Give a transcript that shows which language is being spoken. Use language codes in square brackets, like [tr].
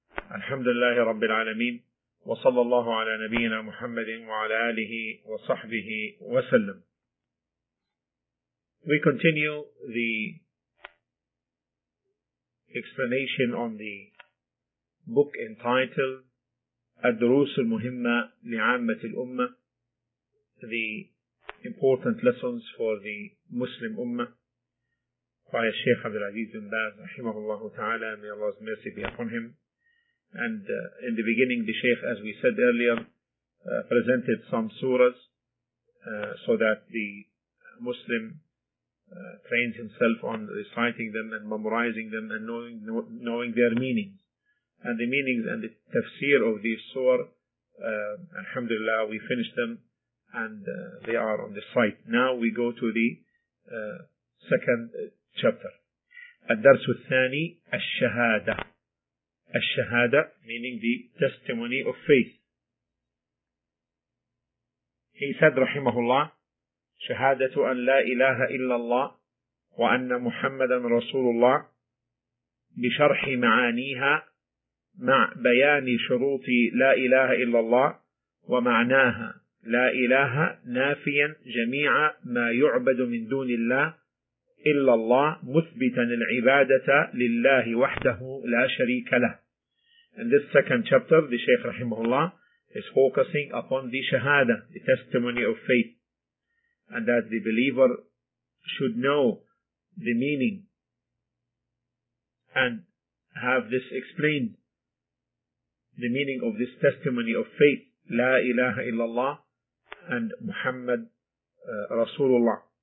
[ar] الحمد لله رب العالمين، وصلى الله على نبينا محمد وعلى آله وصحبه وسلم. [en] We continue the explanation on the book entitled [ar] الدروس المهمة لعامة الأمة، [en] The Important Lessons for the Muslim Ummah by Sheikh Abdul Aziz bin Baz, rahimahullah ta'ala, may Allah's mercy be upon him. And in the beginning, the Sheikh, as we said earlier, presented some surahs so that the Muslim trains himself on reciting them and memorizing them and knowing their meanings. And the meanings and the tafsir of these surahs, alhamdulillah, we finished them and they are on the site. Now we go to the second chapter. [ar] الدرس الثاني الشهادة. [en] الشهادة meaning the testimony of faith. He said [ar] رحمه الله شهادة أن لا إله إلا الله وأن محمدا رسول الله بشرح معانيها مع بيان شروط لا إله إلا الله ومعناها لا إله نافيا جميع ما يعبد من دون الله إلا الله مثبتا العبادة لله وحده لا شريك له. [en] In this second chapter, the Shaykh rahimahullah is focusing upon the shahada, the testimony of faith, and that the believer should know the meaning and have this explained, the meaning of this testimony of faith, [ar] لا إله إلا الله [en] and Muhammad Rasulullah.